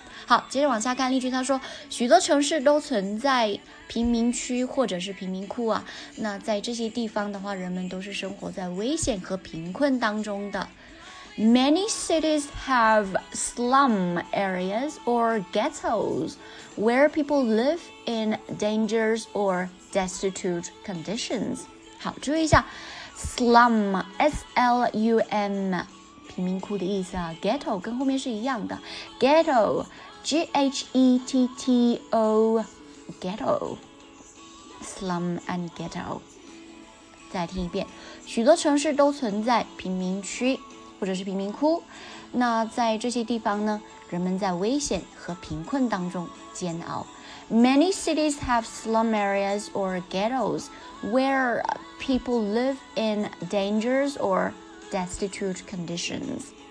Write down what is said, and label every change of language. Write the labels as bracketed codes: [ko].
[zh] 好，接着往下看例句，他说许多城市都存在贫民区或者是贫民窟啊，那在这些地方的话，人们都是生活在危险和贫困当中的。 [en] Many cities have slum areas or ghettos where people live in dangerous or destitute conditions. [zh] 好，注意一下 slum, S-L-U-M, 贫民窟的意思啊， ghetto 跟后面是一样的， ghetto, G-H-E-T-T-O, ghetto, [en] slum and ghetto. [zh] 再听一遍，许多城市都存在贫民区或者是贫民窟，那在这些地方呢，人们在危险和贫困当中煎熬。 [en] Many cities have slum areas or ghettos where people live in dangerous or destitute conditions.